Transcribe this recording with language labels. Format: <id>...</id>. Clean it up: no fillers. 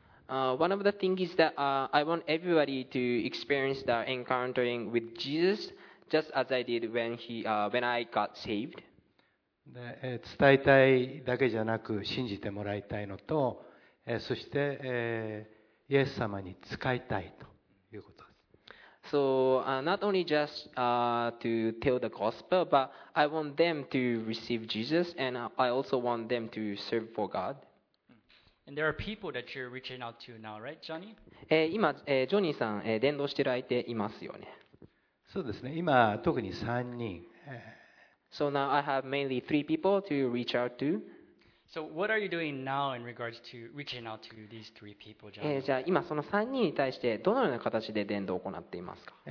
<en>One of the things is that I want everybody to experience the encountering with Jesus just as I did when I got saved.</en> <ja>で、伝えたいだけじゃなく信じてもらいたいのと、そして、イエス様に使いたいということ。</ja> <en>So not only just to tell the gospel, but I want them to receive Jesus, and I also want them to serve for God. And there are people that you're reaching out to now, right, Johnny?</en> <ja>今、ジョニーさん、伝道してる相手いますよね。そうですね。今特に3人。</ja> <en>So now I have mainly three people to reach out to. So what are you doing now in regards to reaching out to these three people, John? じゃあ今その3人に対してどのような形で伝道を行っていますか？</en>